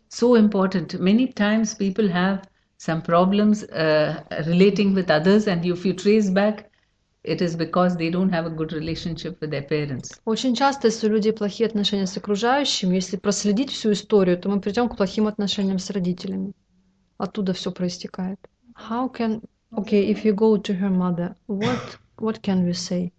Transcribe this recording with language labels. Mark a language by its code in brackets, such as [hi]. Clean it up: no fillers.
[en] So important. Many times people have some problems relating with others, and if you trace back, it is because they don't have a good relationship with their parents. [ru] Очень часто, если у людей плохие отношения с окружающими, если проследить всю историю, то мы придем к плохим отношениям с родителями. Оттуда все проистекает. [en] How can... Okay, if you go to her mother, what can we say?